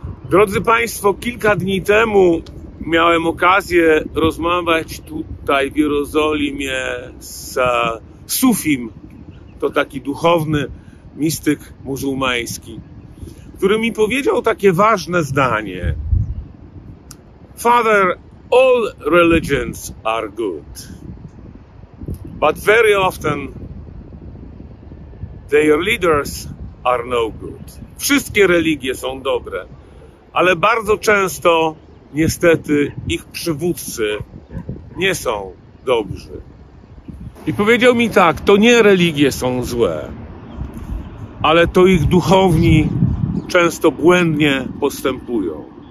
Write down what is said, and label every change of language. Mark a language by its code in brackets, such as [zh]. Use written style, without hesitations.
[pl] Drodzy Państwo, kilka dni temu miałem okazję rozmawiać tutaj w Jerozolimie z Sufim, to taki duchowny mistyk muzułmański, który mi powiedział takie ważne zdanie. [en] Father, all religions are good, but very often their leaders are no good. [pl] Wszystkie religie są dobre, ale bardzo często niestety ich przywódcy nie są dobrzy. I powiedział mi tak, to nie religie są złe, ale to ich duchowni często błędnie postępują.